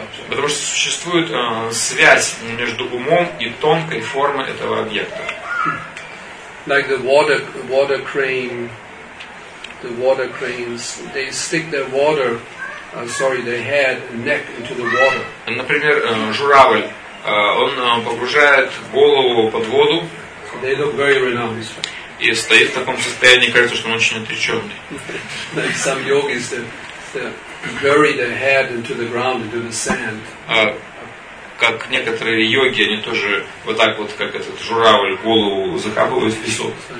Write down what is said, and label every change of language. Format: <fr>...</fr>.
<ru>Потому что существует связь между умом и тонкой формой этого объекта.</ru> <en>Like the water cranes, they stick their water, their head and neck into the water.</en> <ru>Например, журавль, он погружает голову под воду.</ru> <en>They look very renounced.</en> <ru>И стоит в таком состоянии, кажется, что он очень отреченный.</ru> <en>Like some yogis, bury their head into the ground into the sand.</en> <ru>Как некоторые йоги, они тоже вот так вот, как этот журавль, голову закапывают в песок.</ru>